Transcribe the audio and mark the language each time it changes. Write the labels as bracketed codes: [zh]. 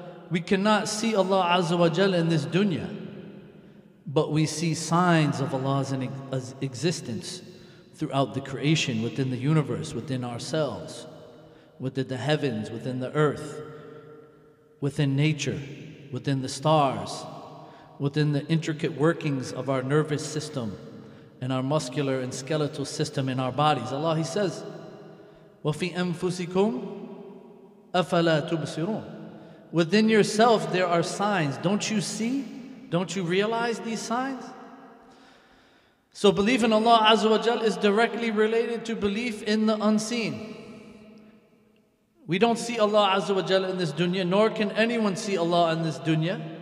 [en] We cannot see Allah Azza wa Jal in this dunya, but we see signs of Allah's existence throughout the creation, within the universe, within ourselves, within the heavens, within the earth, within nature, within the stars, within the intricate workings of our nervous system and our muscular and skeletal system in our bodies. Allah, He says, [ar] وَفِي أَنفُسِكُمْ أَفَلَا تُبْصِرُونَ. [en] Within yourself there are signs. Don't you see? Don't you realize these signs? So belief in Allah Azza wa Jal is directly related to belief in the unseen. We don't see Allah Azza wa Jal in this dunya, nor can anyone see Allah in this dunya.